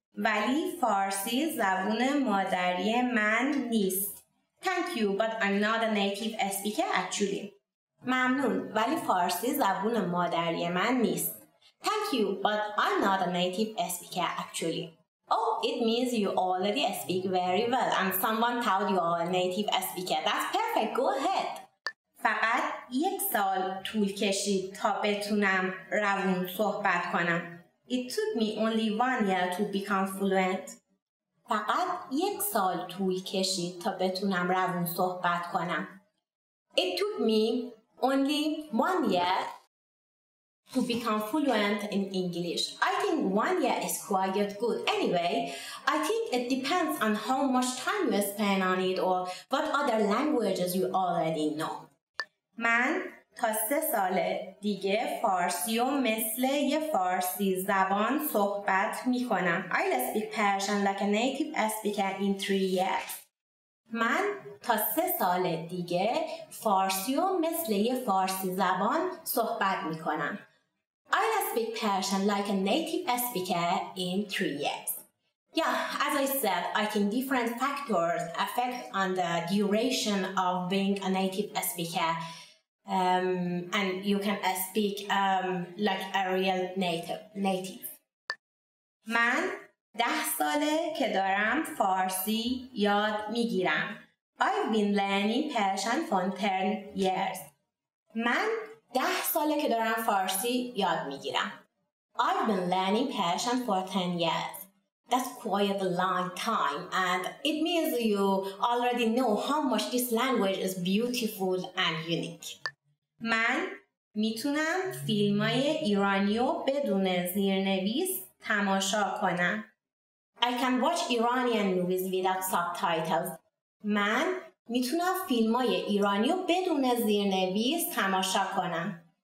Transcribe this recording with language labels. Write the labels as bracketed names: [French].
[Persian] ولی فارسی زبون مادری من نیست. [English] Thank you, but I'm not a native speaker actually. [Persian] ممنون. ولی فارسی زبون مادری من نیست. [English] Thank you, but I'm not a native speaker actually. Oh, it means you already speak very well and someone told you are a native speaker. That's perfect. Go ahead. [Persian] فقط یک سال طول کشید تا بتونم روان صحبت کنم. [English] It took me only 1 year to become fluent. [Persian] فقط یک سال طول کشید تا بتونم روان صحبت کنم. [English] It took me only 1 year to become fluent in English. I think 1 year is quite good. Anyway, I think it depends on how much time you spend on it or what other languages you already know. [Persian] من تا 3 سال دیگه فارسی و مثل یه فارسی زبان صحبت می کنم. [English] I'll speak Persian like a native speaker in 3 years. [Persian] من تا 3 سال دیگه فارسی و مثل یه فارسی زبان صحبت می کنم. [English] I'll speak Persian like a native speaker in 3 years. Yeah, as I said, I think different factors affect on the duration of being a native speaker. And you can speak like a real native. [Persian] من 10 ساله که دارم فارسی یاد میگیرم. [English] I've been learning Persian for 10 years. [Persian] من 10 ساله که دارم فارسی یاد میگیرم. [English] I've been learning Persian for 10 years. That's quite a long time and it means you already know how much this language is beautiful and unique. [Persian] من میتونم فیلمای ایرانیو بدون زیرنویس تماشا کنم. [English] I can watch Iranian movies without subtitles. [Persian] من میتونم فیلمای ایرانیو بدون زیرنویس تماشا کنم.